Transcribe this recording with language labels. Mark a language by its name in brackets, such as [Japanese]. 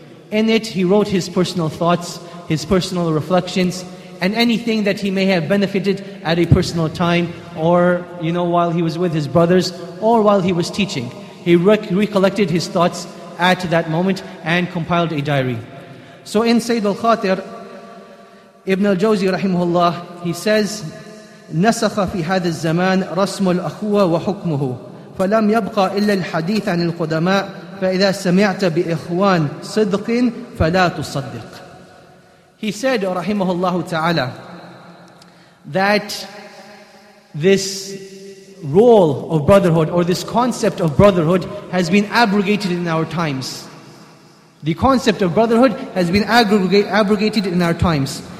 [English] In it, he wrote his personal thoughts, his personal reflections, and anything that he may have benefited at a personal time, or you know, while he was with his brothers, or while he was teaching. He recollected his thoughts at that moment and compiled a diary. So in Sayyid al-Khatir, Ibn al-Jawzi rahimahullah, he says, [Arabic] نَسَخَ فِي هَذَا الزَّمَانِ رَسْمُ الْأَخُوَ وَحُكْمُهُ فَلَمْ يَبْقَى إِلَّا الْحَدِيثَ عَنِ الْقُدَمَاءِ فَإِذَا سَمِعْتَ بِإِخْوَانِ صِدْقٍ فَلَا تُصَدِّقْ. [English] He said, rahimahullah ta'ala, that this role of brotherhood or this concept of brotherhood has been abrogated in our times. The concept of brotherhood has been abrogated in our times.